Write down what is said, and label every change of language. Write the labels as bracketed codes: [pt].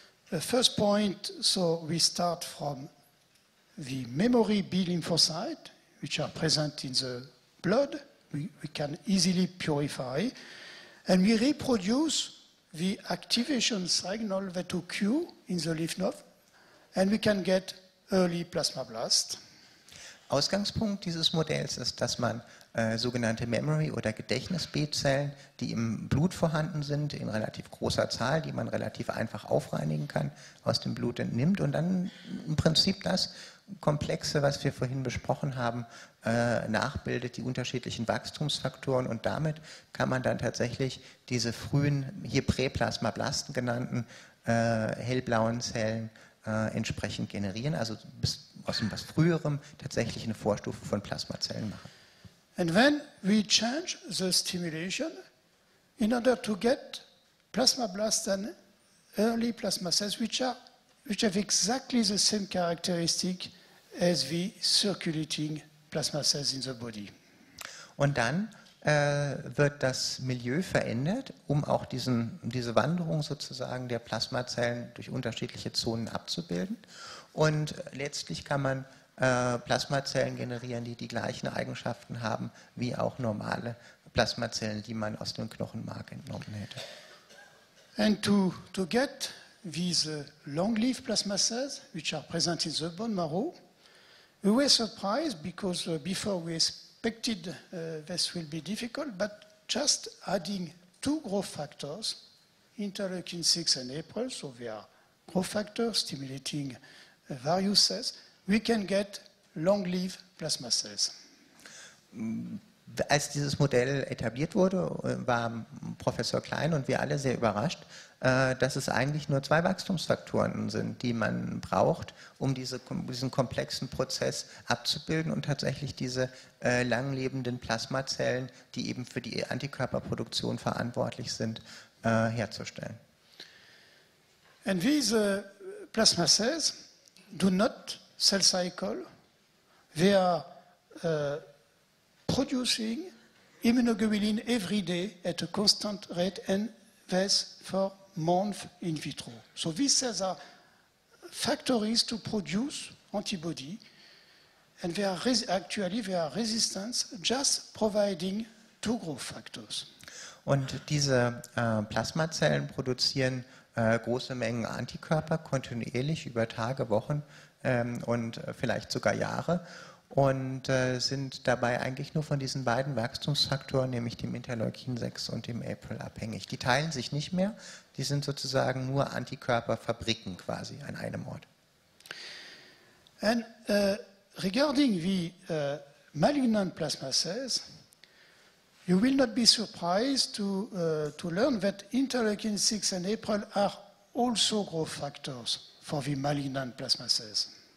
[en] The first point, so we start from the memory B-Lymphocyte, which are present in the blood, we can easily purify. And we reproduce the activation signal that occur in the lymph node, and we can get early plasma blast. [de] Ausgangspunkt dieses Modells ist, dass man sogenannte Memory- oder Gedächtnis-B-Zellen, die im Blut vorhanden sind, in relativ großer Zahl, die man relativ einfach aufreinigen kann, aus dem Blut entnimmt und dann im Prinzip das Komplexe, was wir vorhin besprochen haben, nachbildet, die unterschiedlichen Wachstumsfaktoren, und damit kann man dann tatsächlich diese frühen, hier Präplasmablasten genannten, hellblauen Zellen entsprechend generieren, also bis aus etwas Früherem tatsächlich eine Vorstufe von Plasmazellen machen. [en] And when we change the stimulation in order to get plasmablasts and early plasma cells, which have exactly the same characteristic as the circulating plasma cells in the body. [de] Und dann wird das Milieu verändert, um auch diese Wanderung sozusagen der Plasmazellen durch unterschiedliche Zonen abzubilden. Und letztlich kann man Plasmazellen generieren, die gleichen Eigenschaften haben wie auch normale Plasmazellen, die man aus dem Knochenmark entnommen hätte. [en] And to get these long-lived plasma cells, which are present in the bone marrow, we were surprised because before we expected this will be difficult, but just adding two growth factors, interleukin-6 and APRIL, so they are growth factors stimulating various cells, we can get long-lived plasma cells. [de] Als dieses Modell etabliert wurde, war Professor Klein und wir alle sehr überrascht, dass es eigentlich nur zwei Wachstumsfaktoren sind, die man braucht, um diesen komplexen Prozess abzubilden und tatsächlich diese langlebenden Plasmazellen, die eben für die Antikörperproduktion verantwortlich sind, herzustellen. [en] And these plasma cells do not cell cycle. They are producing immunoglobulin every day at a constant rate and this for month in vitro. So these cells are factories to produce antibody, and they are actually resistant, just providing two growth factors. [de] Und diese Plasmazellen produzieren große Mengen Antikörper kontinuierlich über Tage, Wochen und vielleicht sogar Jahre und sind dabei eigentlich nur von diesen beiden Wachstumsfaktoren, nämlich dem Interleukin 6 und dem APRIL, abhängig. Die teilen sich nicht mehr, die sind sozusagen nur Antikörperfabriken quasi an einem Ort. [en] And regarding the malignant plasma cells, you will not be surprised to learn that interleukin 6 and APRIL are also growth factors for the malignant plasma cells.